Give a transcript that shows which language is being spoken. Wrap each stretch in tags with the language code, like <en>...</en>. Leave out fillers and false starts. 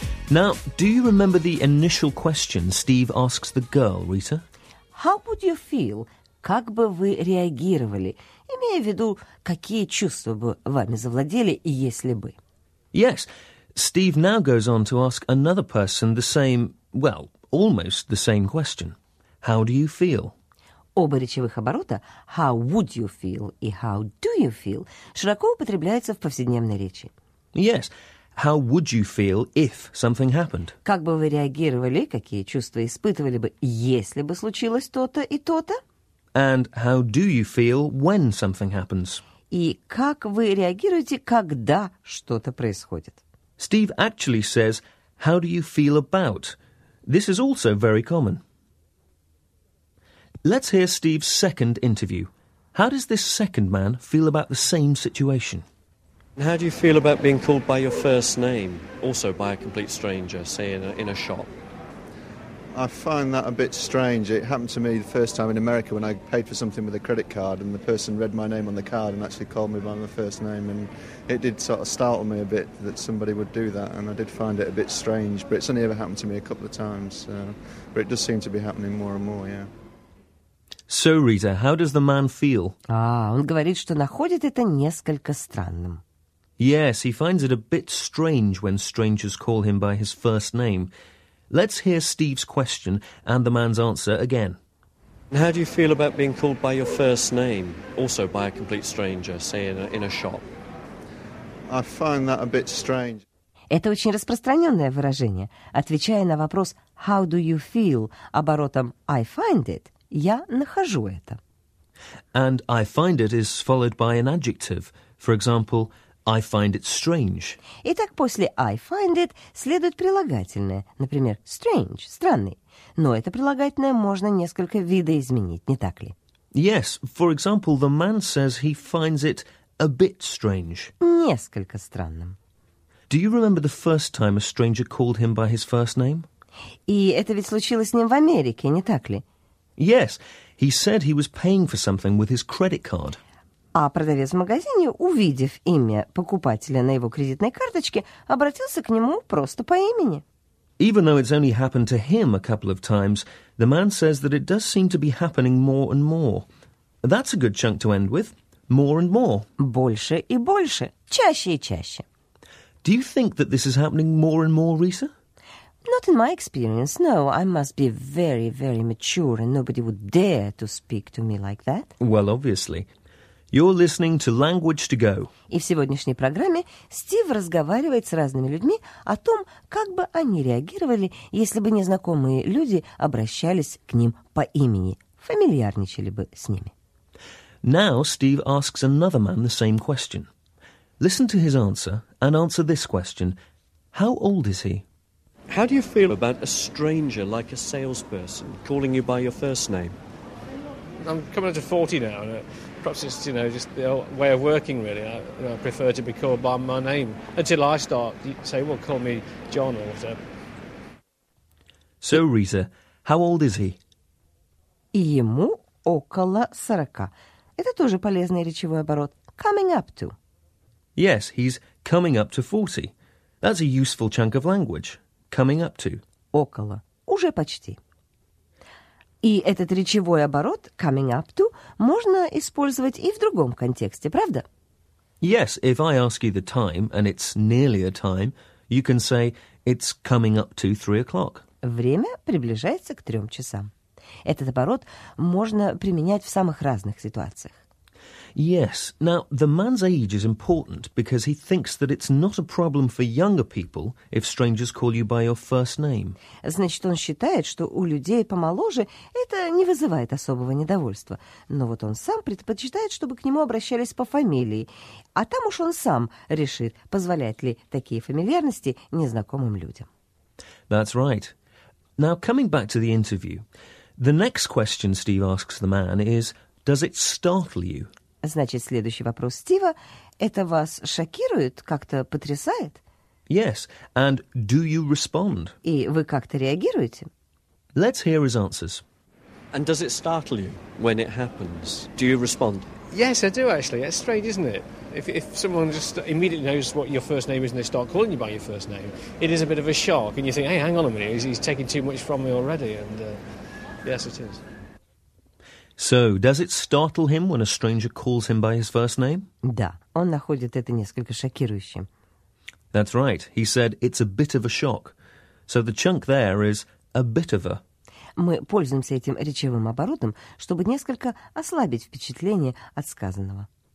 <en>Now, do you remember the initial question Steve asks the girl, Rita? How would you feel...</en> <ru>Как бы вы реагировали, имея в виду, какие чувства бы вами завладели, если бы?</ru> <en>Yes. Steve now goes on to ask another person the same, well, almost the same question. How do you feel?</en> <ru>Оба речевых оборота</ru> <en>«how would you feel»</en> <ru>и</ru> <en>«how do you feel»</en> <ru>широко употребляются в повседневной речи.</ru> <en>Yes. How would you feel if something happened?</en> <ru>Как бы вы реагировали, какие чувства испытывали бы, если бы случилось то-то и то-то?</ru> <en>And how do you feel when something happens?</en> <ru>И как вы реагируете, когда что-то происходит?</ru> <en>Steve actually says, how do you feel about? This is also very common. Let's hear Steve's second interview. How does this second man feel about the same situation? How do you feel about being called by your first name, also by a complete stranger, say in a shop? I find that a bit strange. It happened to me the first time in America when I paid for something with a credit card and the person read my name on the card and actually called me by my first name. And it did sort of startle me a bit that somebody would do that. And I did find it a bit strange. But it's only ever happened to me a couple of times. But it does seem to be happening more and more, yeah. So, Rita, how does the man feel?</en> <ru>Он говорит, что находит это несколько странным.</ru> <en>Yes, he finds it a bit strange when strangers call him by his first name. Let's hear Steve's question and the man's answer again. How do you feel about being called by your first name, also by a complete stranger, say in a shop? I find that a bit strange.</en> <ru>Это очень распространенное выражение. Отвечая на вопрос</ru> <en>«How do you feel?»</en> <ru>оборотом</ru> <en>«I find it»</en> <ru>– «Я нахожу это».</ru> <en>And «I find it» is followed by an adjective. For example, I find it strange.</en> <ru>Итак, после</ru> <en>I find it</en> <ru>следует прилагательное, например, strange, странный. Но это прилагательное можно несколько видоизменить, не так ли?</ru> <en>Yes, for example, the man says he finds it a bit strange.</en> <ru>Несколько странным.</ru> <en>Do you remember the first time a stranger called him by his first name?</en> <ru>И это ведь случилось с ним в Америке, не так ли?</ru> <en>Yes, he said he was paying for something with his credit card.</en> <ru>А продавец в магазине, увидев имя покупателя на его кредитной карточке, обратился к нему просто по имени.</ru> <en>Even though it's only happened to him a couple of times, the man says that it does seem to be happening more and more. That's a good chunk to end with. More and more.</en> <ru>Больше и больше. Чаще и чаще.</ru> <en>Do you think that this is happening more and more, Risa? Not in my experience, no. I must be very, very mature and nobody would dare to speak to me like that. Well, obviously. You're listening to Language to Go.</en> <ru>И в сегодняшней программе Стив разговаривает с разными людьми о том, как бы они реагировали, если бы незнакомые люди обращались к ним по имени, фамильярничали бы с ними.</ru> <en>Now Steve asks another man the same question. Listen to his answer and answer this question. How old is he? How do you feel about a stranger, like a salesperson, calling you by your first name? I'm coming into 40 now, and perhaps it's, you know, just the old way of working, really. I prefer to be called by my name until I start, say, well, call me John or whatever. So, Risa, how old is he?</en> <ru>Ему около 40. Это тоже полезный речевой оборот.</ru> <en>Coming up to. Yes, he's coming up to 40. That's a useful chunk of language. Coming up to.</en> <ru>Около. Уже почти. И этот речевой оборот,</ru> <en>coming up to,</en> <ru>можно использовать и в другом контексте, правда?</ru> <en>Yes, if I ask you the time, and it's nearly a time, you can say, it's coming up to 3 o'clock.</en> <ru>Время приближается к 3 часам. Этот оборот можно применять в самых разных ситуациях.</ru> <en>Yes, now the man's age is important because he thinks that it's not a problem for younger people if strangers call you by your first name.</en> <ru>Значит, он считает, что у людей помоложе это не вызывает особого недовольства. Но вот он сам предпочитает, чтобы к нему обращались по фамилии. А там уж он сам решит, позволяет ли такие фамильярности незнакомым людям.</ru> <en>That's right. Now, coming back to the interview, the next question Steve asks the man is, does it startle you?</en> <ru>Значит, следующий вопрос Стива – это вас шокирует, как-то потрясает?</ru> <en>Yes, and do you respond?</en> <ru>И вы как-то реагируете?</ru> <en>Let's hear his answers. And does it startle you when it happens? Do you respond? Yes, I do, actually. It's strange, isn't it? If someone just immediately knows what your first name is and they start calling you by your first name, it is a bit of a shock, and you think, hey, hang on a minute, he's taking too much from me already, and yes, it is. So, does it startle him when a stranger calls him by his first name?</en> <ru>Да, он находит это несколько шокирующим.</ru> <en>That's right. He said it's a bit of a shock. So the chunk there is a bit of a.</en> <ru>Мы пользуемся этим речевым оборотом, чтобы несколько ослабить впечатление от сказанного.</ru>